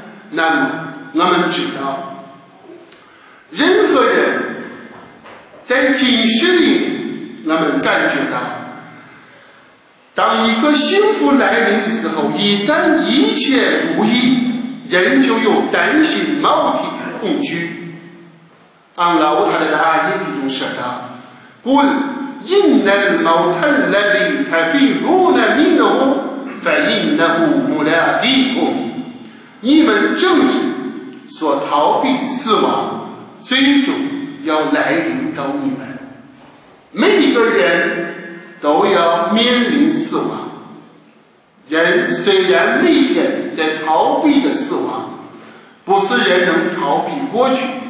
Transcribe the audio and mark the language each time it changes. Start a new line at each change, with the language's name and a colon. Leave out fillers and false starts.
Chinese: 那么我们知道任何人在今世里我们感觉到当一个幸福来临的时候，一旦一切如意，人就有担心毛体的恐惧。安拉乌塔拉的阿耶里中说道：“
Arabic: قل إن الموت الذي تفرون منه فإنه ملاقيكم。”
Chinese: 你们正是所逃避死亡，最终要来临到你们。每一个人都要面临死亡。人虽然每天在逃避着死亡，不是人能逃避过去。